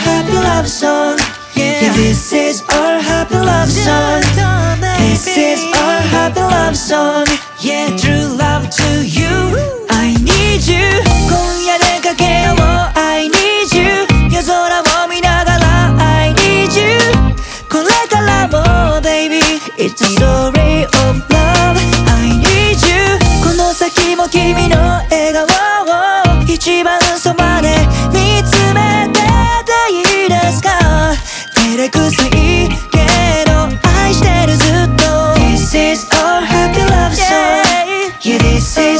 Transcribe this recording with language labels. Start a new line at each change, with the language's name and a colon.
English: This is our happy love song、yeah. This is our happy love song、yeah. True love to you、Woo. I need you、
Japanese: 今夜出かけよう I need you、 夜空を見ながら I need you、 これからも baby、
English: It's a story of love、
Japanese: I need you、 この先も君の笑顔を一番そばで見つめてたいですか。照れくさいけど愛してるずっと。
English: This is our happy love song、yeah. Yeah, this